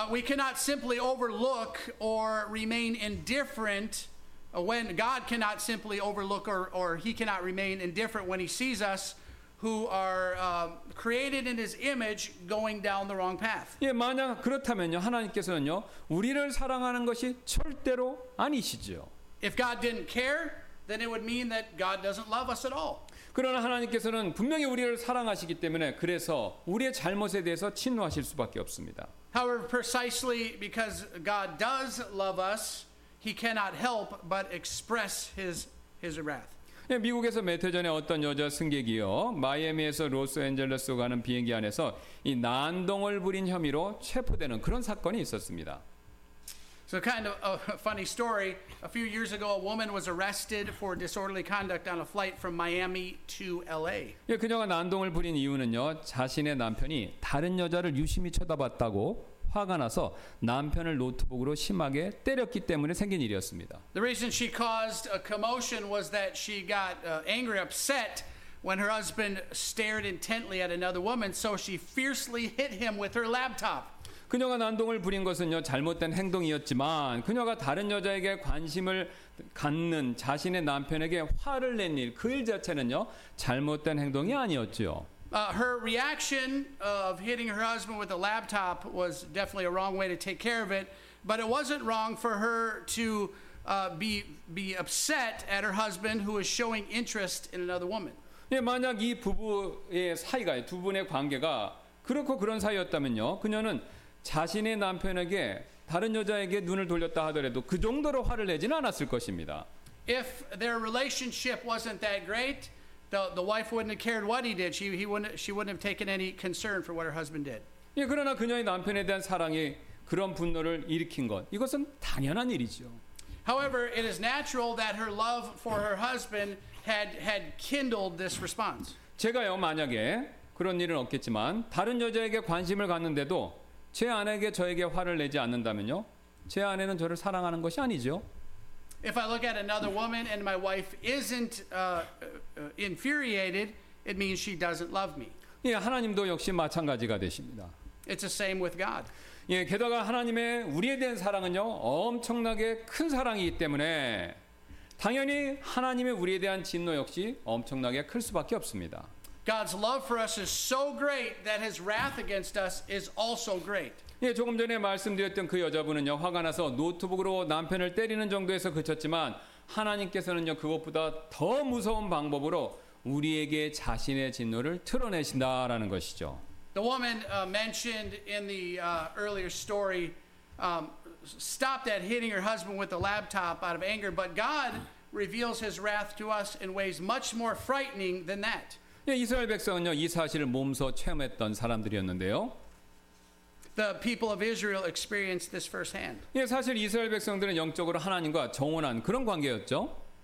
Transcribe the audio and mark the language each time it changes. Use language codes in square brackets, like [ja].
[en] We cannot simply overlook or remain indifferent. When God cannot simply overlook or he cannot remain indifferent when he sees us who are created in his image going down the wrong path. [ko] 예, 만약 그렇다면요. 하나님께서는요. 우리를 사랑하는 것이 절대로 아니시죠. [en] If God didn't care, then it would mean that God doesn't love us at all. [ko] 그러나 하나님께서는 분명히 우리를 사랑하시기 때문에 그래서 우리의 잘못에 대해서 진노하실 수밖에 없습니다. [en] However, precisely because God does love us, He cannot help but express his wrath. [ko] 예, 미국에서 며칠 전에 어떤 여자 승객이요 마이애미에서 로스앤젤레스로 가는 비행기 안에서 이 난동을 부린 혐의로 체포되는 그런 사건이 있었습니다. [en] So kind of a funny story. A few years ago, a woman was arrested for disorderly conduct on a flight from Miami to LA. [ko] 예, 그녀가 난동을 부린 이유는요 자신의 남편이 다른 여자를 유심히 쳐다봤다고. 화가 나서 남편을 노트북으로 심하게 때렸기 때문에 생긴 일이었습니다. [en] The reason she caused a commotion was that she got angry, upset when her husband stared intently at another woman, so she fiercely hit him with her laptop. [ko] 그녀가 난동을 부린 것은요 잘못된 행동이었지만 그녀가 다른 여자에게 관심을 갖는 자신의 남편에게 화를 낸 일, 그 일 자체는요 잘못된 행동이 아니었지요. [en] Her reaction of hitting her husband with a laptop was definitely a wrong way to take care of it, but it wasn't wrong for her to be upset at her husband who was showing interest in another woman. [ko] 예, 만약 이 부부의 사이가 두 분의 관계가 그렇고 그런 사이였다면요, 그녀는 자신의 남편에게 다른 여자에게 눈을 돌렸다 하더라도 그 정도로 화를 내지는 않았을 것입니다. [en] If their relationship wasn't that great, The wife wouldn't have cared what he did. She wouldn't have taken any concern for what her husband did. [ko] 예, 그러나 그녀의 남편에 대한 사랑이 그런 분노를 일으킨 것, 이것은 당연한 일이죠. [en] However, it is natural that her love for her husband had kindled this response. [ko] 제가요, 만약에 그런 일은 없겠지만 다른 여자에게 관심을 갖는데도 제 아내에게 저에게 화를 내지 않는다면요, 제 아내는 저를 사랑하는 것이 아니죠. [en] If I look at another woman and my wife isn't infuriated, it means she doesn't love me. [ko] 예, 하나님도 역시 마찬가지가 되십니다. [en] It's the same with God. [ko] 예, 게다가 하나님의 우리에 대한 사랑은요, 엄청나게 큰 사랑이기 때문에 당연히 하나님의 우리에 대한 진노 역시 엄청나게 클 수밖에 없습니다. [en] God's love for us is so great that his wrath against us is also great. [ko] 예, 조금 전에 말씀드렸던 그 여자분은요 화가 나서 노트북으로 남편을 때리는 정도에서 그쳤지만 하나님께서는요 그것보다 더 무서운 방법으로 우리에게 자신의 진노를 드러내신다라는 것이죠. [en] The woman mentioned in the earlier story stopped at hitting her husband with a laptop out of anger, but God reveals his wrath to us in ways much more frightening than that. [ko] 예, 이스라엘 백성은요 이 사실을 몸소 체험했던 사람들이었는데요. [en] The people of Israel experienced this firsthand. [ko] 예, 사실 이스라엘 백성들은 영적으로 하나님과 정혼한 그런 관계였죠.